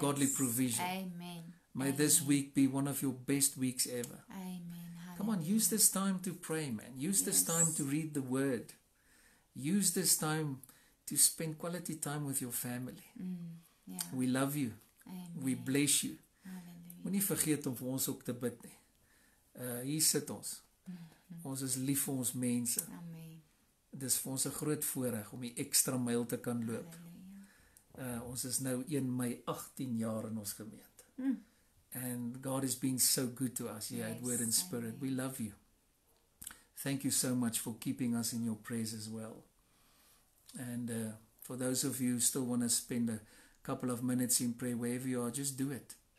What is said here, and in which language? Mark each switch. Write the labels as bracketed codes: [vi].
[en] godly provision. Amen. May Amen. This week be one of your best weeks ever. Amen. Hallelujah. Come on, use this time to pray, man. Use this time to read the word. Use this time to spend quality time with your family. Yeah. We love you. Amen. We bless you. Hallelujah. [af] Moenie vergeet om vir ons ook te bid nie. Hier sit ons. Mm-hmm. Ons is lief vir ons mense. Amen. Dis vir ons 'n groot voorreg om die ekstra myl te kan loop. Hallelujah. Ons is nou 1 Mei 18 jaar in ons gemeente. Mm. [en] And God has been so good to us. Yes, word and spirit. We love you. Thank you so much for keeping us in your prayers as well. And for those of you who still want to spend a couple of minutes in prayer, wherever you are, just do it.